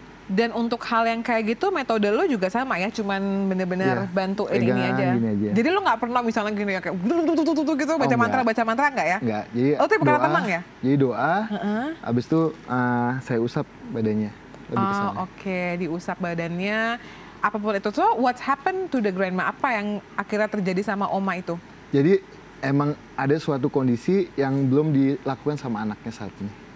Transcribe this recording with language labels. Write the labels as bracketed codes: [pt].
[id] Dan untuk hal yang kayak gitu metode lo juga sama ya, cuman benar-benar ya, bantu ini aja. Jadi lo nggak pernah misalnya gini ya, kayak gitu baca mantra, baca mantra nggak ya? Nggak. Jadi lo tipe karena tenang ya? Jadi doa, abis itu saya usap badannya. Oke, diusap badannya. Apapun itu, [en] so what's happened to the grandma? [id] Apa yang akhirnya terjadi sama oma itu? Jadi emang ada suatu kondisi yang belum dilakukan sama anaknya saat ini.